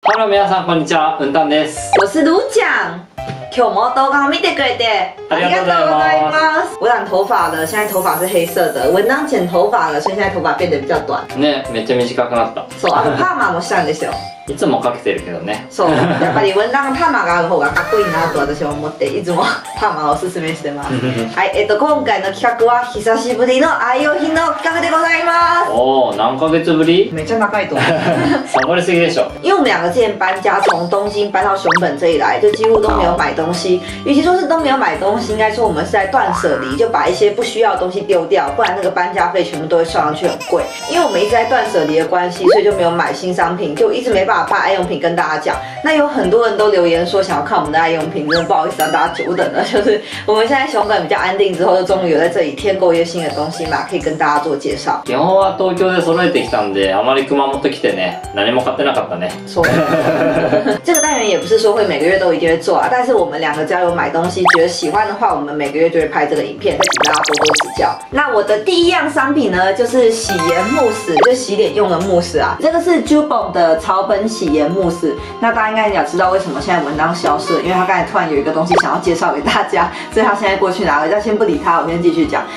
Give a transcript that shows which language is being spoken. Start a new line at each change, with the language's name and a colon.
Japanese: ハロー皆さん、こんにちは。うんたんです。
Chinese: 我是るーちゃん。
Japanese: 今日も動画を見てくれてありがとうございます。
Chinese: 我染頭发了、现在头发是黑色的。我当剪头发了、所以现在头发变得比较短。
Japanese: ね、めっちゃ短くなった。そう、あのパーマもしたんですよいつもかけてるけどね。そう、やっぱり文章パーマがある方がかっこいいなと私は思って、いつもパーマをおすすめしてます。はい、今回の企画は久しぶりの愛用品の企画でございます。おお、何ヶ月ぶり。めっちゃ長いと思う。サボりすぎでしょ。
Chinese: 因为我们两个之前搬家，从东京搬到熊本这里来，就几乎都没有买东西。与其说是都没有买东西，应该说我们是在断舍离，就把一些不需要的东西丢掉，不然那个搬家费全部都会算上去，很贵。因为我们一直在断舍离的关系，所以就没有买新商品，就一直没把爱用品跟大家讲。那有很多人都留言说想要看我们的爱用品，真的不好意思让大家久等了。就是我们现在熊本比较安定之后，就终于有在这里添购一些新的东西嘛，可以跟大家做介绍。
Japanese: 基本は東京で揃えてきたんで、あまり熊本来てね、何も買ってなかったね。そう。
Chinese: 这个单元也不是说会每个月都一定会做啊，但是我们两个只要有买东西，觉得喜欢的话，我们每个月就会拍这个影片，再请大家多多指教。那我的第一样商品呢，就是洗颜慕斯，就洗脸用的慕斯啊。这个是 Jubon 的草本洗。洗颜慕斯，那大家应该也知道为什么现在文章消失了，因为他刚才突然有一个东西想要介绍给大家，所以他现在过去拿了。要先不理他，我先继续讲。